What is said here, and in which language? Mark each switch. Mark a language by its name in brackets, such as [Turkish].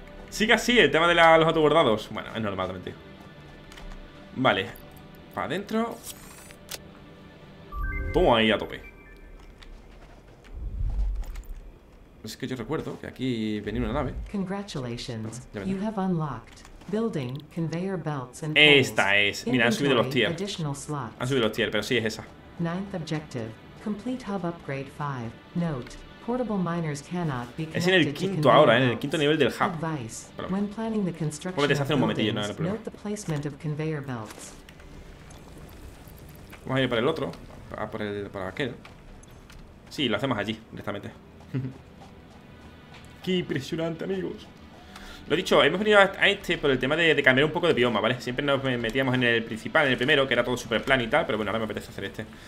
[Spanish] Sigue así el tema de los autobordados. Bueno, es normal, también, tío. Vale, para adentro. Toma ahí a tope. Es que yo recuerdo que aquí venía una nave. [English] Congratulations, you have unlocked building conveyor belts and [Spanish] poles. Esta es. Mira, han subido los tier. Han subido los tier, pero sí es esa. [English] Ninth objective, complete hub upgrade 5. Note, portable miners cannot be [Spanish] connected. Es en el quinto ahora, en el quinto nivel del hub. [English] Advice, when planning the construction, puedes [Spanish] hacer un momentillo, no era problema. [English] Note the placement of conveyor belts. [Spanish] Vamos a ir para el otro, para aquel. Sí, lo hacemos allí directamente. Qué impresionante, amigos. Lo dicho, hemos venido a este por el tema de cambiar un poco de bioma, ¿vale? Siempre nos metíamos en el principal, en el primero, que era todo super plan y tal. Pero bueno, ahora me apetece hacer este.